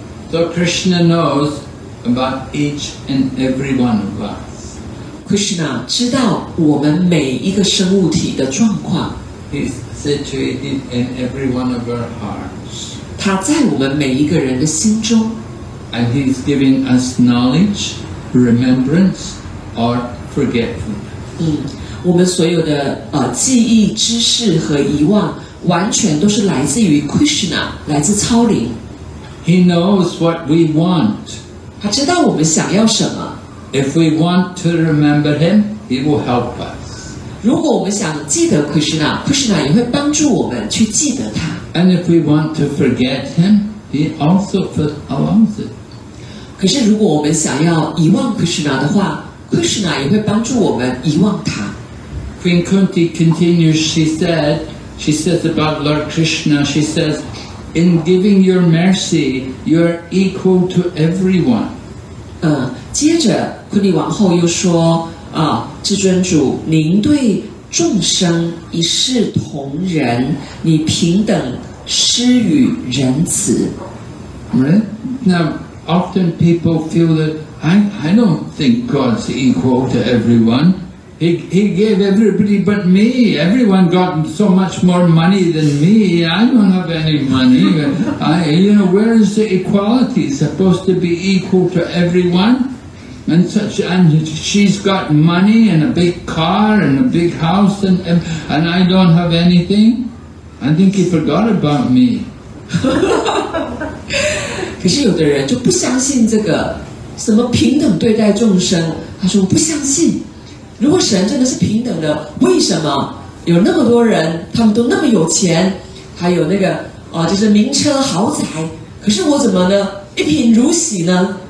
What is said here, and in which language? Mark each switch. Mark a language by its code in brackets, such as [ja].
[en] So Krishna knows about each and every one of us. [zh] Krishna 知道我们每一个生物体的状况。 [en] He's situated in every one of our hearts. [zh] 他在我们每一个人的心中。 [en] And he's giving us knowledge, remembrance, or forgetfulness. [zh] 我们所有的记忆、知识和遗忘，完全都是来自于 Krishna， 来自超灵。 [en] He knows what we want. [zh] 他知道我们想要什么。 [en] If we want to remember him, he will help us. [zh] 如果我们想记得 Krishna 也会帮助我们去记得他。 [en] And if we want to forget him, he also allows it. [zh] 可是如果我们想要遗忘 Krishna 的话， Krishna 也会帮助我们遗忘他。 [en] Queen Kunti continues, she says about Lord Krishna, she says, in giving your mercy, you are equal to everyone. [zh] 接着昆蒂王后又说，至尊主，您对众生一视同仁，你平等施予仁慈。 [en] Right? Now, often people feel that, I don't think God's equal to everyone. He gave everybody but me. Everyone got so much more money than me. I don't have any money. Where is the equality? It's supposed to be equal to everyone? And she's got money and a big car and a big house and I don't have anything? I think he forgot about me. [zh] 可是有的人就不相信这个，什么平等对待众生，他说我不相信，如果神真的是平等的，为什么有那么多人，他们都那么有钱，还有那个就是名车豪宅，可是我怎么呢一贫如洗呢？